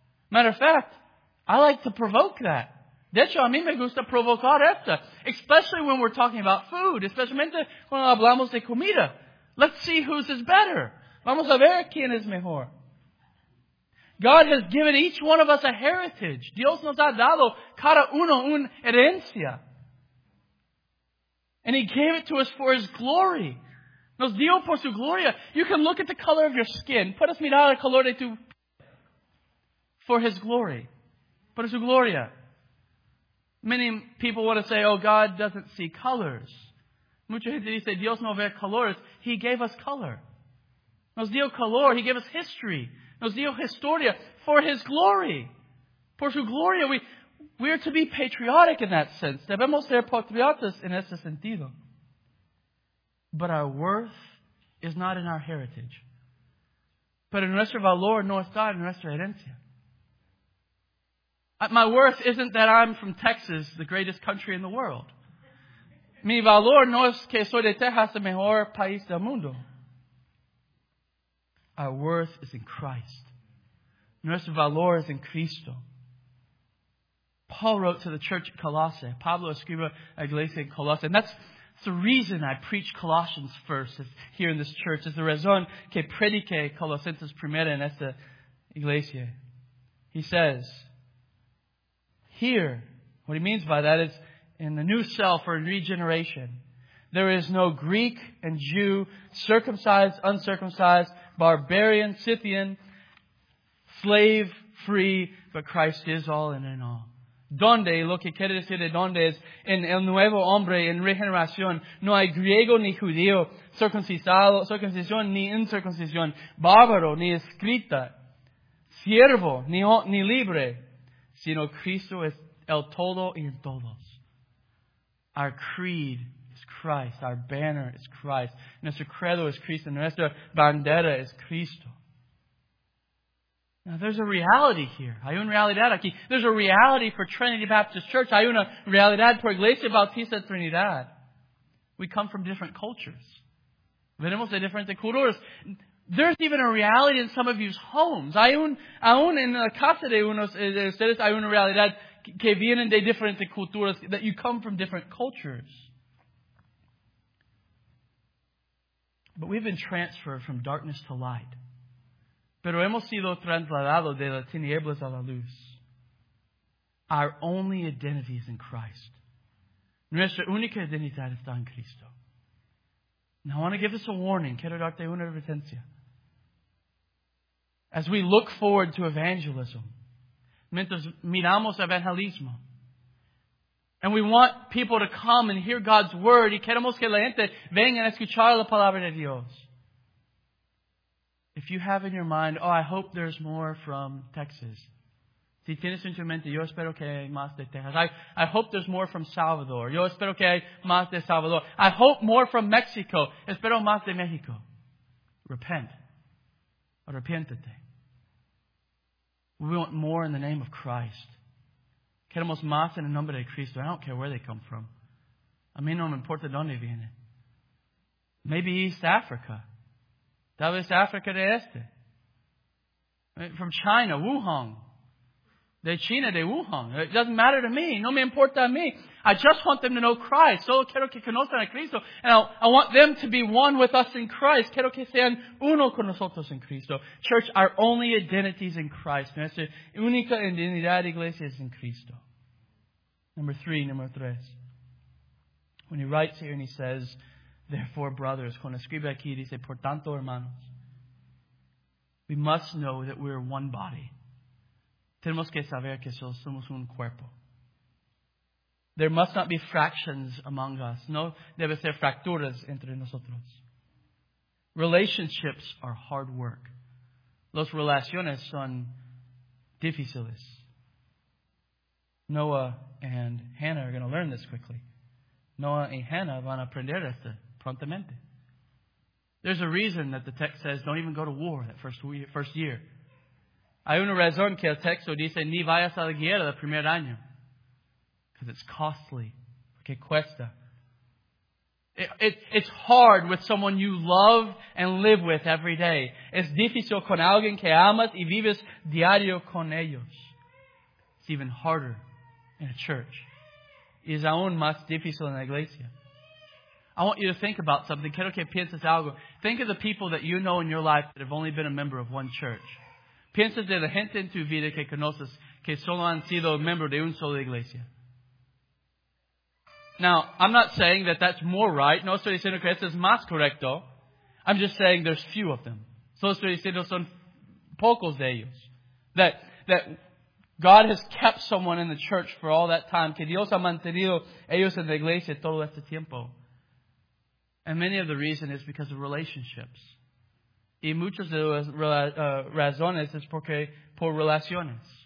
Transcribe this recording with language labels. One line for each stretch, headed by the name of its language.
English: Matter of fact, I like to provoke that.
Spanish: De hecho, a mí me gusta provocar esto.
English: Especially when we're talking about food.
Spanish: Especialmente cuando hablamos de comida.
English: Let's see whose is better.
Spanish: Vamos a ver quién es mejor.
English: God has given each one of us a heritage.
Spanish: Dios nos ha dado cada uno una herencia.
English: And He gave it to us for His glory.
Spanish: Nos dio por su gloria.
English: You can look at the color of your skin.
Spanish: Puedes mirar el color de tu...
English: For His glory.
Spanish: Por su gloria.
English: Many people want to say, oh, God doesn't see colors.
Spanish: Mucha gente dice, Dios no ve colores.
English: He gave us color.
Spanish: Nos dio color.
English: He gave us history.
Spanish: Nos dio historia.
English: For His glory.
Spanish: Por su gloria.
English: We are to be patriotic in that sense.
Spanish: Debemos ser patriotas en ese sentido.
English: But our worth is not in our heritage.
Spanish: Pero nuestro valor no está en nuestra herencia.
English: My worth isn't that I'm from Texas, the greatest country in the world.
Spanish: Mi valor no es que soy de Texas, el mejor país del mundo.
English: Our worth is in Christ.
Spanish: Nuestro valor
English: is in Cristo. Paul wrote to the church at Colossae.
Spanish: Pablo escribió a iglesia en Colossae.
English: And that's the reason I preach Colossians first here in this church. It's the
Spanish: razón que predique Colosenses primero en esta iglesia.
English: He says, here, what he means by that is in the new self or in regeneration, there is no Greek and Jew, circumcised, uncircumcised, barbarian, Scythian, slave, free, but Christ is all and in all.
Spanish: Donde, lo que quiere decir de donde es en el nuevo hombre, en regeneración, no hay griego ni judío, circuncisado, circuncisión ni incircuncisión, bárbaro ni escrita, siervo ni libre, sino Cristo es el todo y en todos.
English: Our creed is Christ. Our banner is Christ.
Spanish: Nuestro credo es Cristo. Nuestra bandera es Cristo.
English: Now, there's a reality here.
Spanish: Hay una realidad aquí.
English: There's a reality for Trinity Baptist Church.
Spanish: Hay una realidad por Iglesia Bautista Trinidad.
English: We come from different cultures.
Spanish: Venimos de diferentes culturas.
English: There's even a reality in some of you's homes.
Spanish: Aún en la casa de unos de ustedes hay una realidad que vienen de diferentes culturas,
English: that you come from different cultures. But we've been transferred from darkness to light.
Spanish: Pero hemos sido trasladados de las tinieblas a la luz.
English: Our only identity is in Christ.
Spanish: Nuestra única identidad está en Cristo.
English: Now I want to give us a warning.
Spanish: Quiero darte una advertencia.
English: As we look forward to evangelism,
Spanish: mientras miramos evangelismo,
English: and we want people to come and hear God's word,
Spanish: y queremos que la gente venga a escuchar la palabra de Dios.
English: If you have in your mind, oh, I hope there's more from Texas.
Spanish: Si tienes en tu mente, yo espero que hay más de Texas.
English: I hope there's more from Salvador.
Spanish: Yo espero que hay más de Salvador.
English: I hope more from Mexico.
Spanish: Espero más de México.
English: Repent.
Spanish: Arrepiéntete.
English: We want more in the name of Christ.
Spanish: Queremos más en el nombre de Cristo.
English: I don't care where they come from.
Spanish: A mí no me importa dónde viene.
English: Maybe East Africa.
Spanish: Tal vez África del Este.
English: From China, Wuhan.
Spanish: De China, de Wuhan.
English: It doesn't matter to me.
Spanish: No me importa a mí.
English: I just want them to know Christ.
Spanish: Solo quiero que conozcan a Cristo.
English: And I want them to be one with us in Christ.
Spanish: Quiero que sean uno con nosotros en Cristo.
English: Church, our only identity is in Christ.
Spanish: Nuestra única identidad, iglesia, es en Cristo.
English: Number 3. When he writes here and he says, therefore, brothers,
Spanish: cuando escribe aquí, dice, por tanto, hermanos,
English: we must know that we are one body.
Spanish: Tenemos que saber que somos un cuerpo.
English: There must not be fractions among us.
Spanish: No debe ser fracturas entre nosotros.
English: Relationships are hard work.
Spanish: Las relaciones son difíciles.
English: Noah and Hannah are going to learn this quickly.
Spanish: Noah y Hannah van a aprender esto prontamente.
English: There's a reason that the text says don't even go to war that first year.
Spanish: Hay una razón que el texto dice ni vayas a la guerra el primer año.
English: Because it's costly.
Spanish: Porque cuesta.
English: It's hard with someone you love and live with every day.
Spanish: Es difícil con alguien que amas y vives diario con ellos.
English: It's even harder in a church.
Spanish: Es aún más difícil en la iglesia.
English: I want you to think about something.
Spanish: Quiero que pienses algo.
English: Think of the people that you know in your life that have only been a member of one church.
Spanish: Piensas de la gente en tu vida que conoces que solo han sido miembro de una sola iglesia.
English: Now, I'm not saying that that's more right.
Spanish: No estoy diciendo que esto es más correcto.
English: I'm just saying there's few of them.
Spanish: Solo estoy diciendo son pocos de ellos.
English: That God has kept someone in the church for all that time.
Spanish: Que Dios ha mantenido ellos en la iglesia todo este tiempo.
English: And many of the reason is because of relationships.
Spanish: Y muchas de las razones es porque por relaciones.